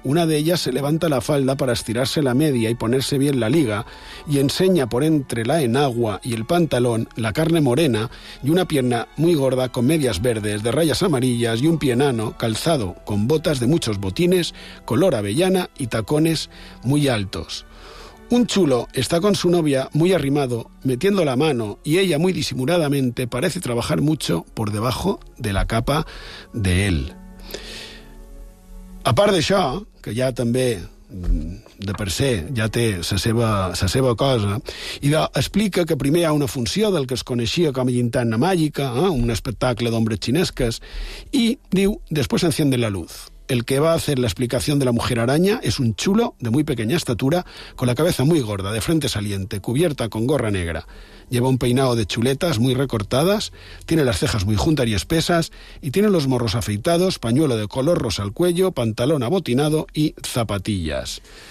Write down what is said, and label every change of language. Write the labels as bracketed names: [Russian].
[Spanish] Una de ellas se levanta la falda para estirarse la media y ponerse bien la liga, y enseña por entre la enagua y el pantalón la carne morena y una pierna muy gorda con medias verdes de rayas amarillas y un pie enano calzado con botas de muchos botines, color avellana y tacones muy altos. Un chulo está con su novia muy arrimado, metiendo la mano, y ella muy disimuladamente parece trabajar mucho por debajo de la capa de él. [Catalan] A part d'això, que ja també, de per se, ja té la seva cosa, i explica que primer hi ha una funció del que es coneixia com a llintana màgica, un espectacle d'ombres xinesques, i diu, [Spanish] después encienden la luz. El que va a hacer la explicación de la mujer araña es un chulo de muy pequeña estatura, con la cabeza muy gorda, de frente saliente, cubierta con gorra negra. Lleva un peinado de chuletas muy recortadas, tiene las cejas muy juntas y espesas, y tiene los morros afeitados, pañuelo de color rosa al cuello, pantalón abotinado y zapatillas.